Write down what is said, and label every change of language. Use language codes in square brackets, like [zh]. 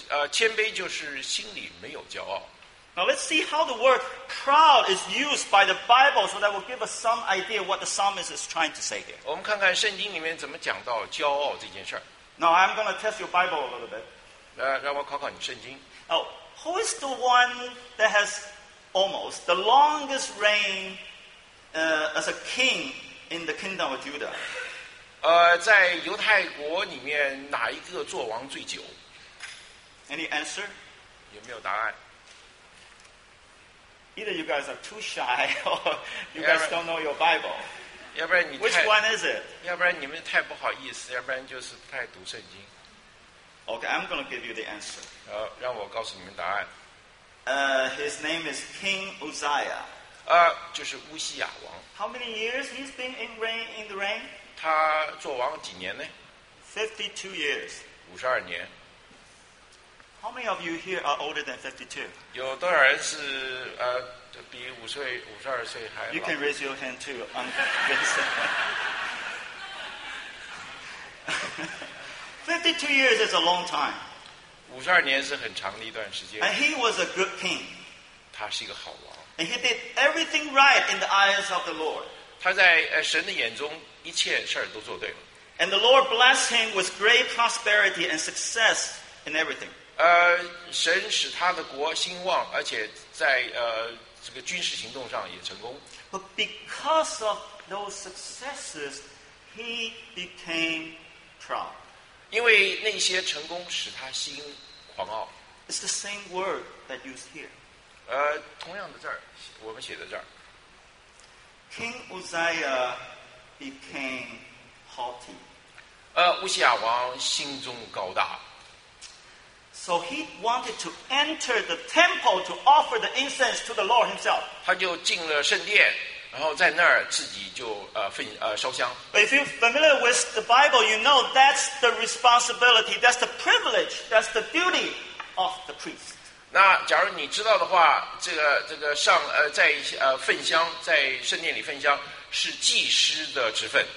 [zh] 谦卑就是心里没有骄傲。 [en] Now let's see how the word proud is used by the Bible, so that will give us some idea what the psalmist is trying to say here. [zh] 我们看看圣经里面怎么讲到骄傲这件事儿。 [en] Now I'm going to test your Bible a little bit. [zh] 让我考考你圣经。 [en] Now, who is the one that has... Almost the longest reign as a king in the kingdom of Judah. [zh] 在犹太国里面哪一个做王最久 [en] ？Any answer? [zh] 有没有答案 [en] ？Either you guys are too shy, or you guys don't know your Bible. [zh] 要不然你 [en] Which one is it? [zh] 要不然你们太不好意思，要不然就是不太读圣经。 [en] Okay, I'm going to give you the answer. [zh] 让我告诉你们答案。 [en] His name is King Uzziah. [zh] 就是乌西亚王。 [en] How many years he's been in the reign? [zh] 他做王几年呢 [en] ？52 years. [zh] 52年。 [en] How many of you here are older than 52? [zh] 有多少人是比52岁还老 [en] ？You can raise your hand too, Uncle Vincent. 52 years is a long time. [zh] 52年是很长的一段时间。 [en] And he was a good king. [zh] 他是一个好王。 [en] And he did everything right in the eyes of the Lord. [zh] 他在神的眼中一切事都做对了。 [en] And the Lord blessed him with great prosperity and success in everything. [zh] 神使他的国兴旺，而且在这个军事行动上也成功。 [en] But because of those successes, he became proud. [zh] 因为那些成功使他心狂傲。 [en] It's the same word that used here. [zh] 同样的字儿，我们写在这儿。 [en] King Uzziah became haughty. [zh] 乌西亚王心中高大。 [en] So he wanted to enter the temple to offer the incense to the Lord himself. [zh] 他就进了圣殿，然后在那儿自己就烧香。 [en] But if you're familiar with the Bible, you know that's the responsibility, that's the privilege, that's the duty of the priest. [zh] 那假如你知道的话，这个上在焚香，在圣殿里焚香是祭师的职分。